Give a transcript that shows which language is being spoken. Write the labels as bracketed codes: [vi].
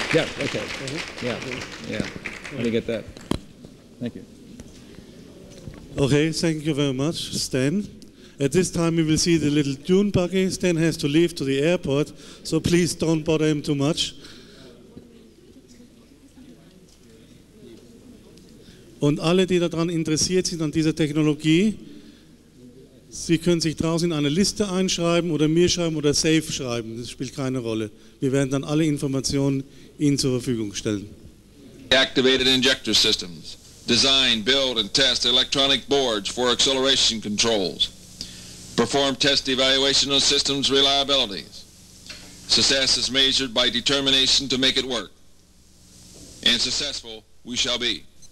[en] Yeah, okay. Uh-huh. Yeah, okay. Yeah. Let me get that. Thank you. Okay, thank you very much, Stan. At this time, we will see the little dune buggy. Stan has to leave to the airport, so please don't bother him too much. [de] Und alle, die daran interessiert sind, an dieser Technologie, Sie können sich draußen in eine Liste einschreiben oder mir schreiben oder safe schreiben. Das spielt keine Rolle. Wir werden dann alle Informationen Ihnen zur Verfügung stellen. [en] Activated injector systems. Design, build and test electronic boards for acceleration controls. Perform test evaluation of systems reliabilities. Success is measured by determination to make it work. And successful we shall be.